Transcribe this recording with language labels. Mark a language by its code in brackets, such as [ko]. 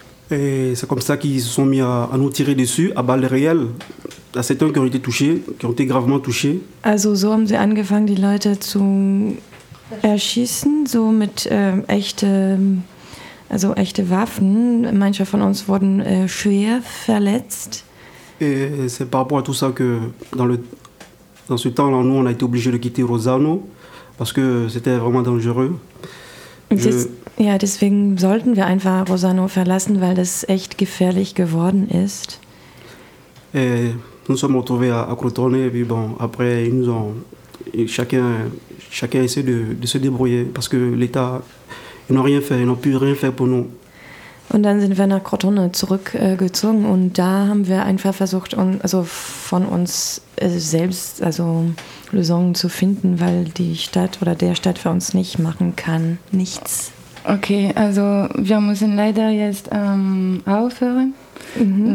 [fr] Et c'est comme ça qu'ils se sont mis à nous tirer dessus, à balles réelles. Il y a certains qui ont été touchés, qui ont été gravement touchés. [de] Also, so haben sie angefangen, die Leute zu erschießen, so mit echte Waffen. Manche von uns wurden schwer verletzt. [fr] Et c'est par rapport à tout ça que dans ce temps-là, nous, on a été obligés de quitter Rosano, parce que c'était vraiment dangereux. [de] Ja, deswegen sollten wir einfach Rosano verlassen, weil das echt gefährlich geworden ist. [fr] Et nous sommes retrouvés à Crotone, et puis bon, après, ils nous ont, chacun essaie de se débrouiller, parce que l'État, ils n'ont rien fait, ils n'ont pu rien faire pour nous. [de] Und dann sind wir nach Crotone zurückgezogen und da haben wir einfach versucht, von uns selbst Lösungen zu finden, weil die Stadt oder der Stadt für uns nicht machen kann, nichts. Okay, also wir müssen leider jetzt aufhören. Mhm.